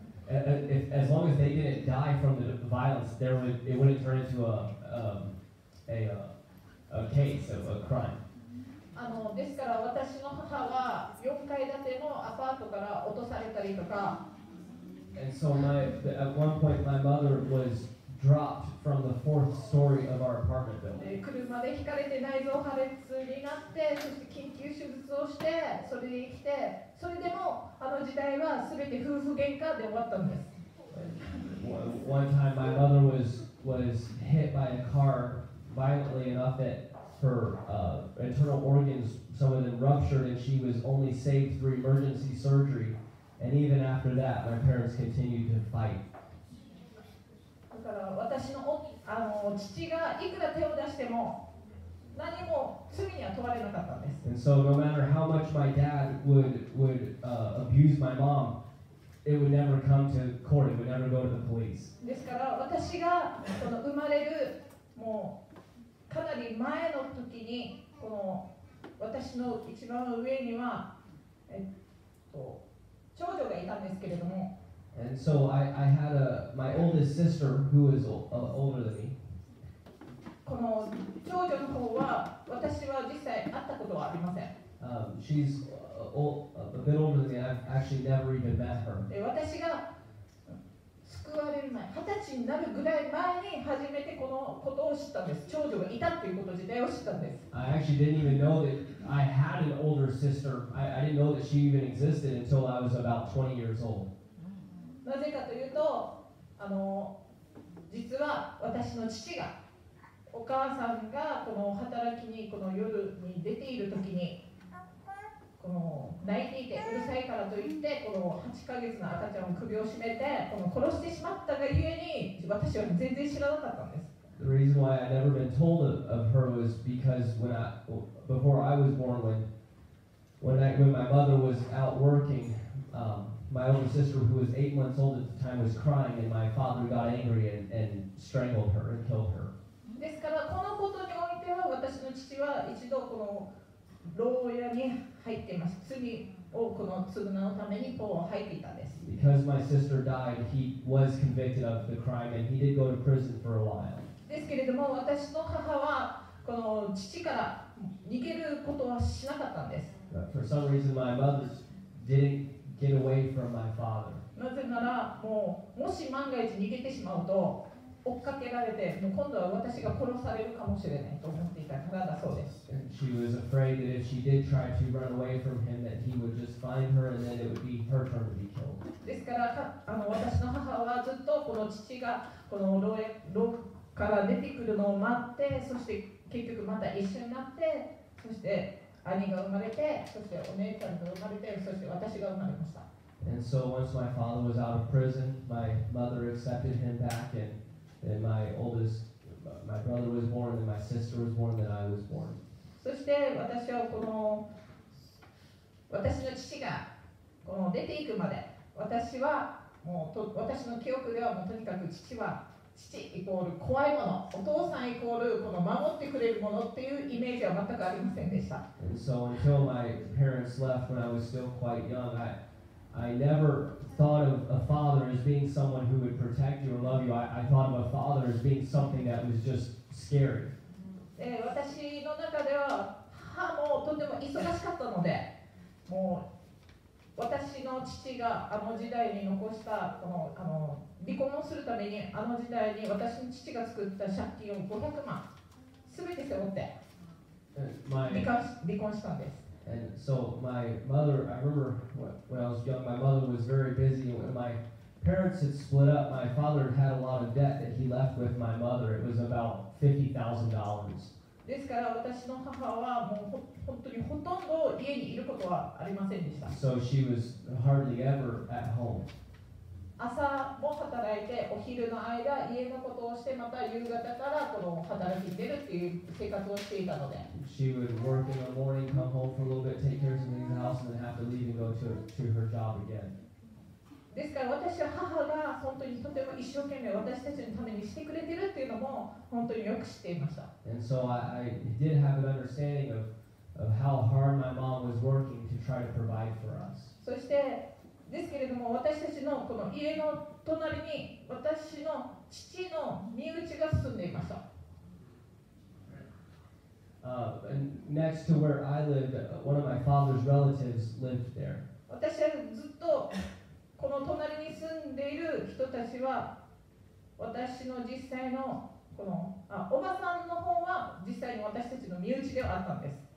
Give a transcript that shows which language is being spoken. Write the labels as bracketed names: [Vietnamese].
[English] As long as they didn't die from the violence, it wouldn't turn into a case of a crime. [Japanese] ですから私の母は4階建てのアパートから落とされたりとか。 [English] And so at one point my mother was dropped from the fourth story of our apartment building. [Japanese] 車でひかれて内臓破裂になって、そして緊急手術をして、それで生きて、それでもあの時代は全て夫婦喧嘩で終わったんです。 [English] One time my mother was hit by a car violently enough that her internal organs, some of them ruptured, and she was only saved through emergency surgery. And even after that, my parents continued to fight. [Japanese] だから私の父がいくら手を出しても何も罪には問われなかったんです。 [English] And so no matter how much my dad would abuse my mom, it would never come to court, it would never go to the police. [Japanese] ですから私がその生まれるもうかなり前の時にこの私の一番上には長女がいたんですけれども。 [English] And so I had my oldest sister who is older than me. [Japanese] この長女の方は私は実際会ったことはありません。 [English] She's a bit older than me. I've actually never even met her. [Japanese] 私が救われる前、二十歳になるぐらい前に初めてこのことを知ったんです。長女がいたっていうこと自体を知ったんです。 [English] I actually didn't even know that. I had an older sister. I didn't know that she even existed until I was about 20 years old. [Japanese] なぜかというと、実は私の父が、お母さんがこの働きにこの夜に出ているときに、この泣いていてうるさいからといって、この8ヶ月の赤ちゃんを首を絞めて、この殺してしまったがゆえに、私は全然知らなかったんです。 [English] The reason why I'd never been told of her was because before I was born, when my mother was out working, my older sister, who was 8 months old at the time, was crying, and my father got angry and strangled her and killed her. [Japanese] ですからこのことにおいては私の父は一度この牢屋に入っています。罪多くの償うためにポーを入っていたんです。 [English] Because my sister died, he was convicted of the crime and he did go to prison for a while. [Japanese] ですけれども、私の母はこの父から逃げることはしなかったんです。 [English] But for some reason, my mother didn't get away from my father. [Japanese] なぜなら、もうもし万が一逃げてしまうと、追っかけられて、もう今度は私が殺されるかもしれないと思っていたからだそうです。 [English] She was afraid that if she did try to run away from him, that he would just find her and then it would be her turn to be killed. [Japanese] ですから、私の母はずっとこの父がこの牢へ、牢から出てくるのを待って、そして結局また一緒になって、そして兄が生まれて、そしてお姉ちゃんが生まれて、そして私が生まれました。 [English] And so once my father was out of prison, my mother accepted him back andThen my oldest, my brother was born, then my sister was born, then I was born. [Japanese] そして私はこの私の父がこの出ていくまで私はもうと私の記憶ではもうとにかく父は父イコール怖いもの、お父さんイコールこの守ってくれるものっていうイメージは全くありませんでした。 [English] And so until my parents left when I was still quite young, I never thought of a father as being someone who would protect you or love you. I thought of a father as being something that was just scary. [Japanese] 私の中では母もとても忙しかったので、もう私の父があの時代に残したこの離婚をするためにあの時代に私の父が作った借金を500万全て背負って離婚したんです。 [English] And so my mother, I remember when I was young, my mother was very busy. When my parents had split up, my father had a lot of debt that he left with my mother. It was about $50,000. [Japanese] ですから私の母はもう本当にほとんど家にいることはありませんでした。 [English] So she was hardly ever at home. [Japanese] 朝も働いて、お昼の間家のことをして、また夕方からこの働き出るっていう生活をしていたので。 [English] She would work in the morning, come home for a little bit, take care of something in the house, and then have to leave and go to her job again. [Japanese] ですから私は母が本当にとても一生懸命私たちのためにしてくれてるっていうのも本当によく知っていました。 [English] And so I did have an understanding of how hard my mom was working to try to provide for us. [Japanese] そしてですけれども私たちのこの家の隣に私の父の身内が住んでいました。 [English] And next to where I lived, one of my father's relatives lived there. [Japanese] 私はずっとこの隣に住んでいる人たちは私の実際のこのおばさんの方は実際に私たちの身内ではあったんです。